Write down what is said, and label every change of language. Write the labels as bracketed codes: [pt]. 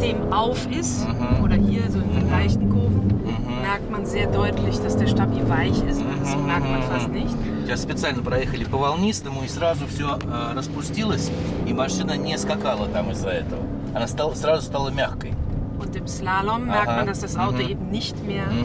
[de] Auf ist oder hier so in den leichten Kurven, merkt man sehr deutlich, dass der Stabi weich ist. Das merkt man fast nicht. [ru] Сейчас специально проехали по волнистому и сразу все распустилось и машина не скакала там из-за этого. Она стала сразу стала мягкой. [de] Und im Slalom merkt man, dass das Auto eben nicht mehr.